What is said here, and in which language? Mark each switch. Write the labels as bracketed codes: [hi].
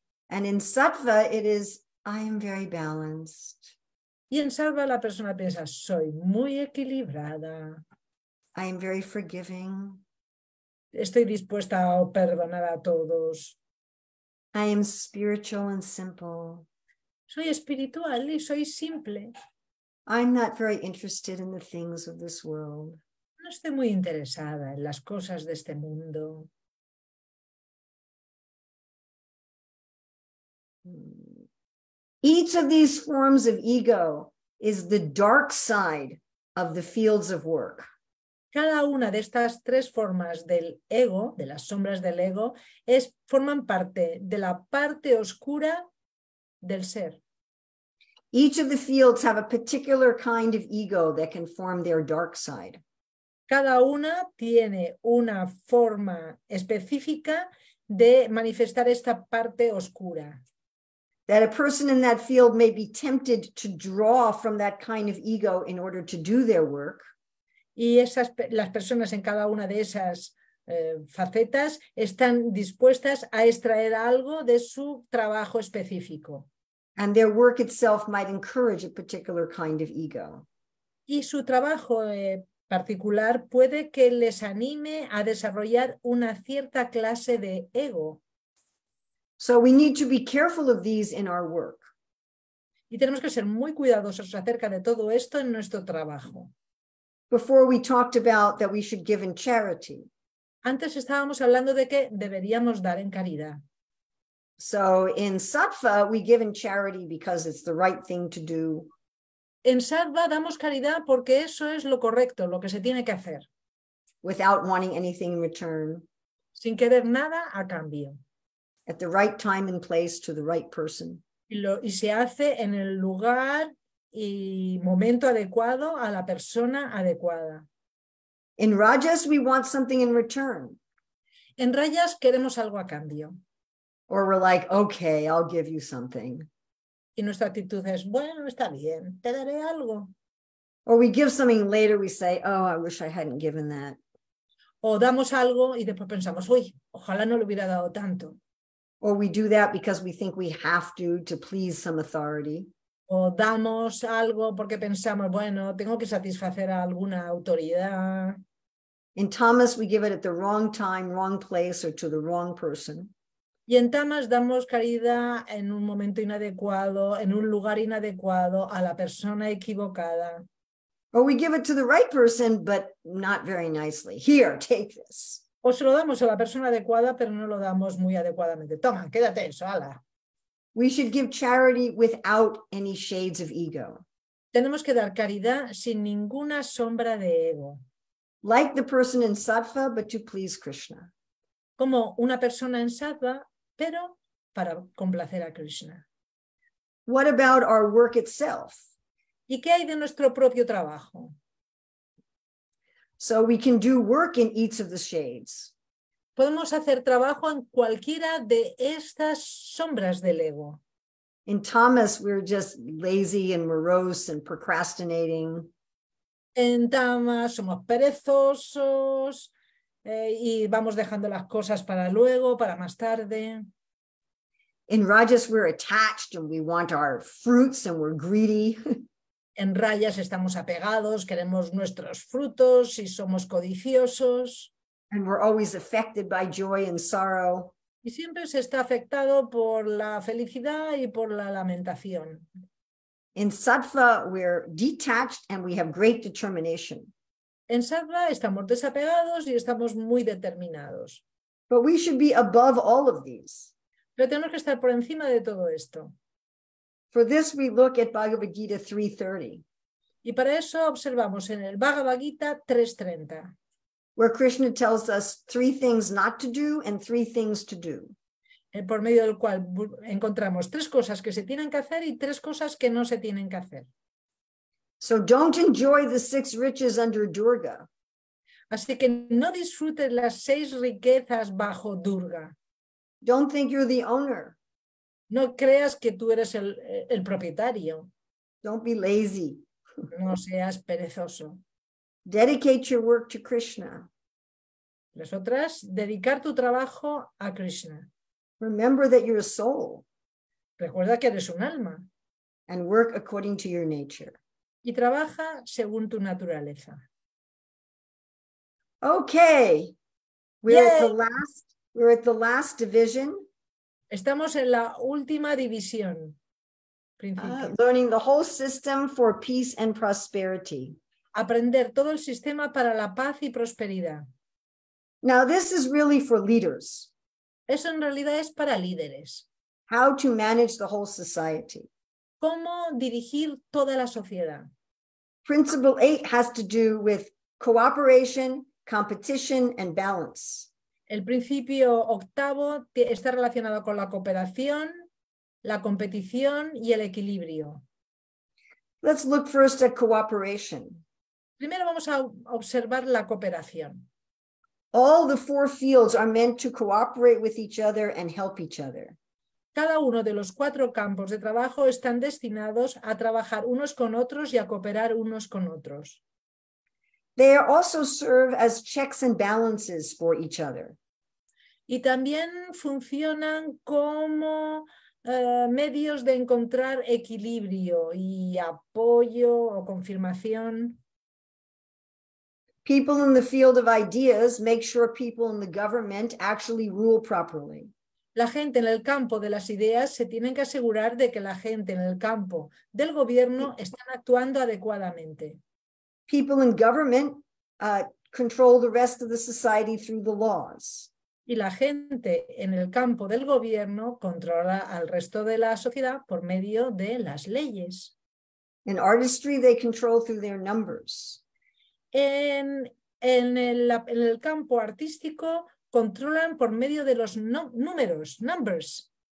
[en] And in sattva it is, I am very balanced. [es] Y en sattva la persona piensa, soy muy equilibrada. [en] I am very forgiving. [es] Estoy dispuesta a perdonar a todos. [en] I am spiritual and simple. [es] Soy espiritual y soy simple. [en] I'm not very interested in the things of this world. [es] No estoy muy interesada en las cosas de este mundo. [en] Each of these forms of ego is the dark side of the fields of work. [es] Cada una de estas tres formas del ego, de las sombras del ego, es, forman parte de la parte oscura del ser. [en] Each of the fields have a particular kind of ego that can form their dark side. [es] Cada una tiene una forma específica de manifestar esta parte oscura. [en] That a person in that field may be tempted to draw from that kind of ego in order to do their work. [es] Y esas, las personas en cada una de esas facetas están dispuestas a extraer algo de su trabajo específico. [en] And their work itself might encourage a particular kind of ego. [es] Y su trabajo particular puede que les anime a desarrollar una cierta clase de ego. [en] So we need to be careful of these in our work. [es] Y tenemos que ser muy cuidadosos acerca de todo esto en nuestro trabajo. [en] Before we talked about that we should give in charity. [es] Antes estábamos hablando de que deberíamos dar en caridad. [en] So in sattva we give in charity because it's the right thing to do. [es] En sattva damos caridad porque eso es lo correcto, lo que se tiene que hacer. [en] Without wanting anything in return. [es] Sin querer nada a cambio. [en] At the right time and place to the right person. [es] Y se hace en el lugar y momento adecuado a la persona adecuada. [en] In rajas we want something in return. [es] En rayas queremos algo a cambio. [en] Or we're like, okay, I'll give you something. [es] Y nuestra actitud es, bueno, está bien, te daré algo. [en] Or we give something later, we say, oh, I wish I hadn't given that. [es] O damos algo y después pensamos, uy, ojalá no le hubiera dado tanto. [en] Or we do that because we think we have to please some authority. [es] O damos algo porque pensamos, bueno, tengo que satisfacer a alguna autoridad. [en] In tamas, we give it at the wrong time, wrong place, or to the wrong person. [es] Y en tamas damos caridad en un momento inadecuado, en un lugar inadecuado, a la persona equivocada. [en] Or we give it to the right person, but not very nicely. Here, take this. [es] O se lo damos a la persona adecuada, pero no lo damos muy adecuadamente. Toma, quédate eso, ala. [en] We should give charity without any shades of ego. [es] Tenemos que dar caridad sin ninguna sombra de ego. [en] Like the person in sattva, but to please Krishna. [es] Como una persona en sattva, pero para complacer a Krishna. [en] What about our work itself? [es] ¿Y qué hay de nuestro propio trabajo? [en] So we can do work in each of the shades. [es] Podemos hacer trabajo en cualquiera de estas sombras del ego. [en] In tamas, we're just lazy and morose and procrastinating. [es] En tamas, somos perezosos y vamos dejando las cosas para luego, para más tarde. [en] In rajas, we're attached and we want our fruits and we're greedy. [es] En rayas estamos apegados, queremos nuestros frutos y somos codiciosos. [en] And we're always affected by joy and sorrow. [es] Y siempre se está afectado por la felicidad y por la lamentación. [en] In sattva, we're detached and we have great determination. [es] En sattva estamos desapegados y estamos muy determinados. [en] But we should be above all of these. [es] Pero tenemos que estar por encima de todo esto. [en] For this we look at Bhagavad Gita 3:30. [es] Y para eso observamos en el Bhagavad Gita 3:30. [en] Where Krishna tells us three things not to do and three things to do. [es] Por medio del cual encontramos tres cosas que se tienen que hacer y tres cosas que no se tienen que hacer. [en] So don't enjoy the six riches under Durga. [es] Así que no disfrutes las seis riquezas bajo Durga. [en] Don't think you're the owner. [es] No creas que tú eres el propietario. [en] Don't be lazy. [es] No seas perezoso. [en] Dedicate your work to Krishna. [es] Las otras, dedicar tu trabajo a Krishna. [en] Remember that you're a soul. [es] Recuerda que eres un alma. [en] And work according to your nature. [es] Y trabaja según tu naturaleza. [en] Okay. We're at the last division. [es] Estamos en la última división. [en] Learning the whole system for peace and prosperity. [es] Aprender todo el sistema para la paz y prosperidad. [en] Now this is really for leaders. [es] Eso en realidad es para líderes. [en] How to manage the whole society. [es] Cómo dirigir toda la sociedad. [en] Principle 8 has to do with cooperation, competition and balance. [es] El principio octavo está relacionado con la cooperación, la competición y el equilibrio. [en] Let's look first at cooperation. [es] Primero vamos a observar la cooperación. [en] All the four fields are meant to cooperate with each other and help each other. [es] Cada uno de los cuatro campos de trabajo están destinados a trabajar unos con otros y a cooperar unos con otros. [en] They also serve as checks and balances for each other. [es] Y también funcionan como medios de encontrar equilibrio y apoyo o confirmación. [en] People in the field of ideas make sure people in the government actually rule properly. [es] La gente en el campo de las ideas se tienen que asegurar de que la gente en el campo del gobierno están actuando adecuadamente. [en] People in government control the rest of the society through the laws. [es] Y la gente en el campo del gobierno controla al resto de la sociedad por medio de las leyes. [en] In artistry, they control through their numbers. [es] En el campo artístico controlan por medio de los números, numbers.